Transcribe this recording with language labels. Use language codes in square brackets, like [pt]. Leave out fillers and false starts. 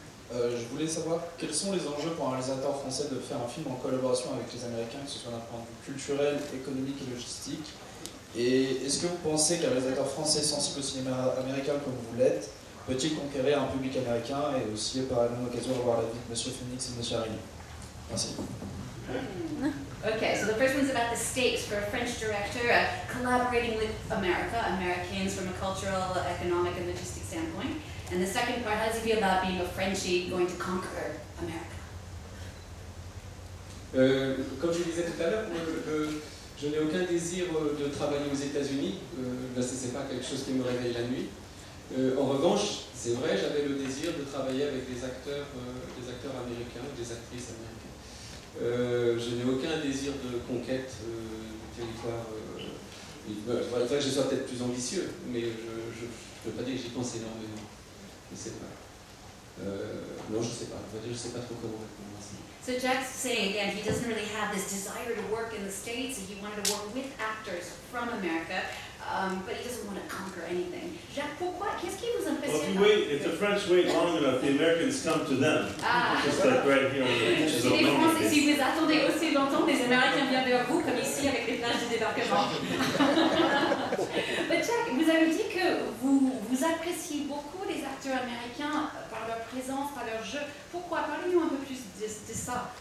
[fr] Je voulais savoir quels sont les enjeux pour un réalisateur français de faire un film en collaboration avec les Américains, que ce soit d'un point de vue culturel, économique et logistique. Et est-ce que vous pensez qu'un réalisateur français sensible au cinéma américain comme vous l'êtes peut-il conquérir un public américain et aussi par la même occasion avoir la vie de Monsieur Phoenix et Monsieur Harry? Merci. [en] Okay, so the first one's about the stakes for a French director collaborating with America, Americans from a cultural, economic, and logistic standpoint. And the second part, how does it feel about being a Frenchie going to conquer America? [fr] Comme je disais tout à l'heure, je n'ai aucun désir de travailler aux États-Unis, parce que ce n'est pas quelque chose qui me réveille la nuit. En revanche, c'est vrai, j'avais le désir de travailler avec des acteurs américains, des actrices américaines. Je n'ai aucun désir de conquête du territoire. Il faudrait que je sois peut-être plus ambitieux, mais je ne peux pas dire que j'y pense énormément. Je ne sais pas. Non, je ne sais pas. Je ne sais pas trop comment répondre à ça. [en] So Jack's saying again, he doesn't really have this desire to work in the States. He wanted to work with actors from America, but he doesn't want to conquer anything. [fr] Jack, pourquoi? Qu'est-ce qui vous impressionne? [en] Well, if the French wait long enough, the Americans come to them. Ah. Just like right here on the beaches of [fr] Normandy. Les Français, si vous attendez aussi longtemps, les Américains viennent vers vous, comme ici avec les plages de débarquement. But Jack, vous avez dit que vous appréciez beaucoup les acteurs américains par leur présence, par leur jeu. Pourquoi? Parlez-nous un peu plus de ça.